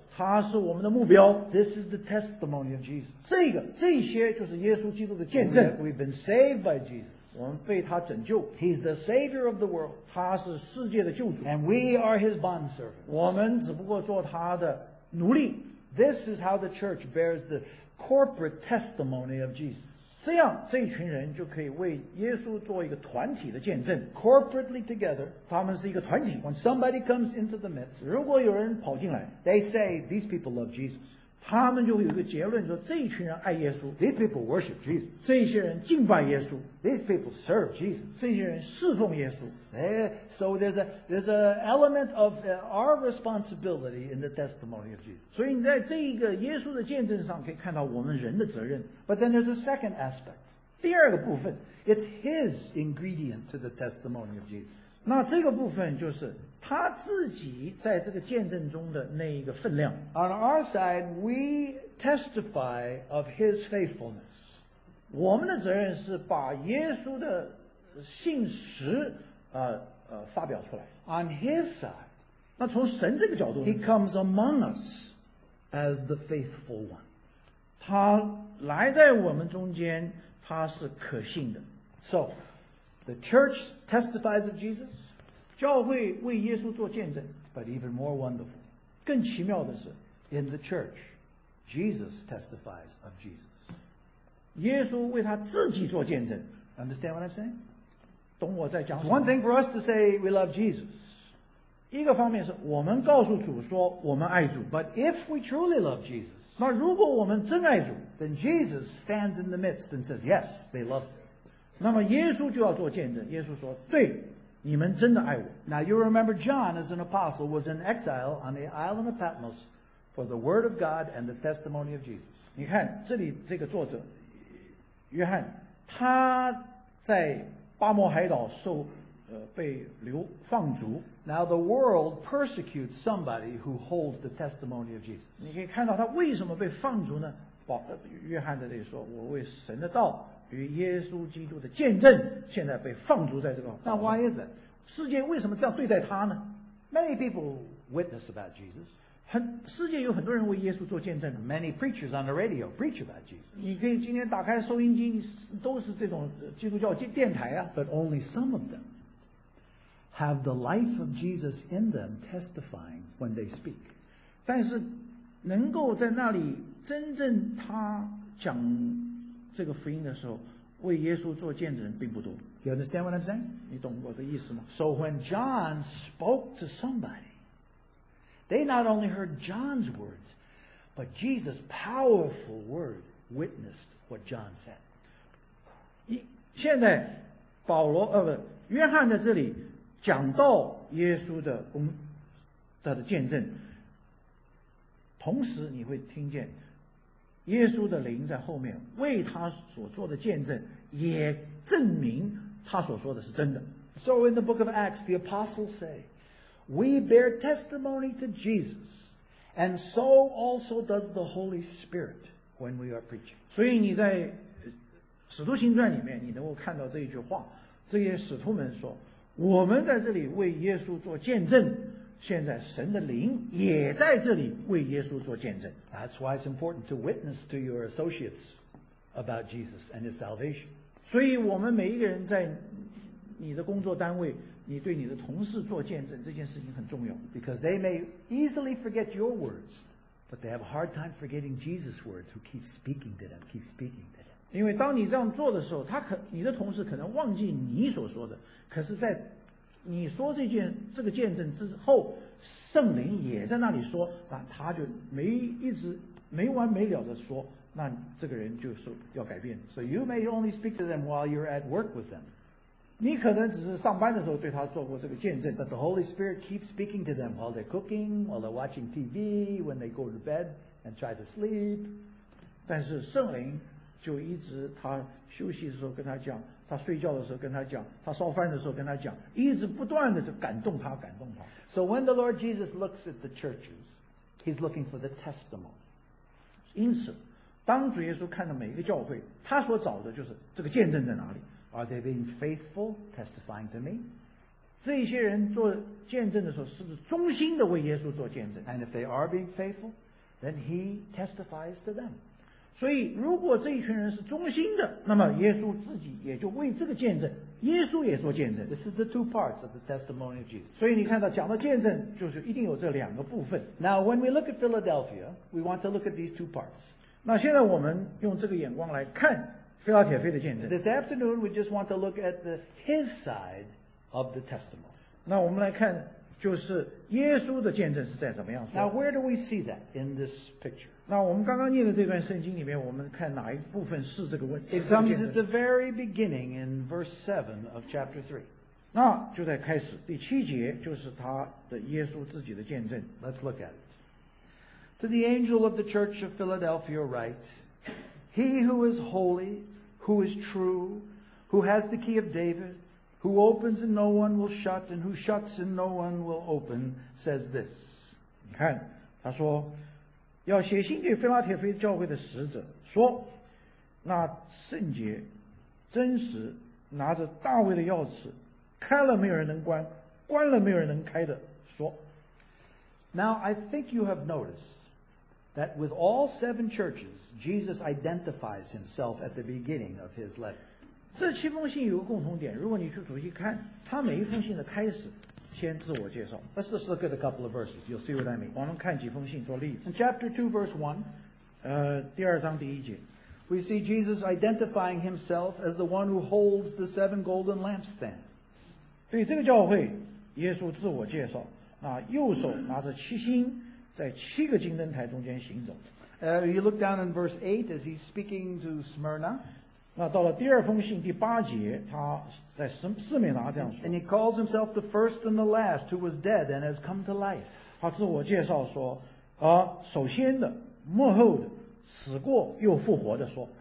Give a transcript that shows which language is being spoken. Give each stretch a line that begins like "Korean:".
Chinese: 他是我们的目标。
English: This is the testimony of Jesus.
Chinese: 这些就是耶稣基督的见证。
English: We've been saved by Jesus.
Chinese: 我们被他拯救。
English: He's the savior of the world.
Chinese: 他是世界的救主。
English: And we are his bondservants.
Chinese: 我们只不过做他的奴隶。
English: This is how the church bears the corporate testimony of Jesus.
Chinese: 这样这一群人就可以为耶稣做一个团体的见证。
English: Corporately together,
Chinese: 他们是一个团体。
English: When somebody comes into the midst,
Chinese: 如果有人跑进来，
English: they say, these people love Jesus.
Chinese: 他们就有一个结论说这一群人爱耶稣。
English: These people worship Jesus.
Chinese: 这些人敬拜耶稣。
English: These people serve Jesus.
Chinese: 这些人侍奉耶稣。
English: So there's a element of our responsibility in the testimony of Jesus.
Chinese: 所以你在这一个耶稣的见证上可以看到我们人的责任。
English: But then there's a second aspect.
Chinese: 第二个部分。
English: It's his ingredient to the testimony of Jesus.
Chinese: 那这个部分就是他自己在这个见证中的那一个分量。
English: On our side, we testify of his faithfulness.
Chinese: 我们的责任是把耶稣的信实发表出来。
English: On his side,
Chinese: 那从神这个角度，
English: he comes among us as the faithful one.
Chinese: 他来在我们中间，他是可信的。
English: So, the church testifies of Jesus.
Chinese: 教会为耶稣做见证。
English: But even more wonderful,
Chinese: 更奇妙的是，
English: in the church, Jesus testifies of Jesus.
Chinese: 耶稣为他自己做见证。
English: Understand what I'm saying?
Chinese: 懂我在讲什么。
English: One thing for us to say we love Jesus.
Chinese: 一个方面是我们告诉主说我们爱主。
English: But if we truly love Jesus,
Chinese: 那如果我们真爱主，
English: then Jesus stands in the midst and says, yes, they love me.
Chinese: 那么耶稣就要做见证，耶稣说对，你们真的爱我。
English: Now you remember John as an apostle was in exile on the island of Patmos for the word of God and the testimony of Jesus.
Chinese: 你看这里这个作者约翰，他在巴摩海岛受被流放逐。
English: Now the world persecutes somebody who holds the testimony of Jesus.
Chinese: 你可以看到他为什么被放逐呢？约翰在这里说，我为神的道与耶稣基督的见证现在被放逐在这个。
English: Now why is it?
Chinese: 世界为什么这样对待他呢？
English: Many people witness about Jesus.
Chinese: 世界有很多人为耶稣做见证。
English: Many preachers on the radio preach about Jesus.
Chinese: 你可以今天打开收音机，都是这种基督教电台啊。
English: But only some of them have the life of Jesus in them testifying when they speak.
Chinese: 但是能够在那里真正他讲这个福音的时候为耶稣做见证并不多。
English: You understand what I'm saying?
Chinese: 你懂我的意思吗？
English: So when John spoke to somebody,They not only heard John's words, but Jesus' powerful word witnessed what John said.
Chinese: 现在保罗约翰在这里讲到耶稣的见证，同时你会听见耶稣的灵在后面为他所做的见证也证明他所说的是真的。
English: So in the book of Acts, the apostles say,We bear testimony to Jesus And so also does the Holy Spirit when we are preaching.
Chinese: 所以你在使徒行传里面你能够看到这一句话，这些使徒们说，我们在这里为耶稣做见证，现在神的灵也在这里为耶稣做见证。
English: That's why it's important to witness to your associates about Jesus and his salvation.
Chinese: 所以我们每一个人在你的工作单位，你对你的同事做见证，这件事情很重要。
English: Because they may easily forget your words, but they have a hard time forgetting Jesus' words who keep speaking to them, keep speaking to them.
Chinese: 因为当你这样做的时候，他可你的同事可能忘记你所说的，可是在你说这件这个见证之后，圣灵也在那里说，那他就没一直没完没了的说，那这个人就是要改变。
English: So you may only speak to them while you're at work with them.
Chinese: 你可能只是上班的时候对他做过这个见证。
English: But the Holy Spirit keeps speaking to them while they're cooking, while they're watching TV, when they go to bed and try to sleep.
Chinese: 但是圣灵就一直他休息的时候跟他讲。他睡觉的时候跟他讲，他烧饭的时候跟他讲，一直不断的就感动他，感动他。
English: So when the Lord Jesus looks at the churches, he's looking for the testimony.
Chinese: 因此，当主耶稣看到每一个教会，他所找的就是这个见证在哪里。
English: Are they being faithful testifying to me?
Chinese: 这些人做见证的时候，是不是忠心的为耶稣做见证
English: ？And if they are being faithful, then he testifies to them.
Chinese: 所以如果这一群人是忠心的，那么耶稣自己也就为这个见证，耶稣也做见证。
English: This is the two parts of the testimony of Jesus.
Chinese: 所以你看到讲的见证就是一定有这两个部分。
English: Now when we look at Philadelphia, we want to look at these two parts.
Chinese: 那现在我们用这个眼光来看腓拉铁腓的见证。
English: This afternoon we just want to look at the his side of the testimony.
Chinese: 那我们来看就是耶稣的见证是在怎么样说。
English: Now where do we see that in this picture?
Chinese: 那我们刚刚念的这段圣经里面，我们看哪一部分是这个问题
English: ？It comes at the very beginning in verse 7 of chapter 3.
Chinese: 那就在开始第七节，就是他的耶稣自己的见证。
English: Let's look at it. To the angel of the church of Philadelphia, write: He who is holy, who is true, who has the key of David, who opens and no one will shut, and who shuts and no one will open, says this.
Chinese: 你看，他说。要写信给腓拉铁腓教会的使者说，那圣洁真实拿着大卫的钥匙，开了没有人能关，关了没有人能开的说。
English: Now I think you have noticed that with all seven churches Jesus identifies himself at the beginning of his letter.
Chinese: 这七封信有个共同点，如果你去仔细看他每一封信的开始先自我介绍。
English: Let's just look at a couple of verses. You'll see what I mean.
Chinese: 我们看几封信做例子。
English: In chapter 2, verse 1,
Chinese: 第二章第一节
English: we see Jesus identifying himself as the one who holds the seven golden lampstands.
Chinese: 对这个教会，耶稣自我介绍，那右手拿着七星，在七个金灯台中间行走。
English: You look down in verse 8 as he's speaking to Smyrna.
Chinese: 那到了第二封信第八节，他在斯美拿这样说。
English: And he calls himself the first and the last who was dead and has come to life.
Chinese: 他自我介绍说，首先的，末后的，死过又复活的说。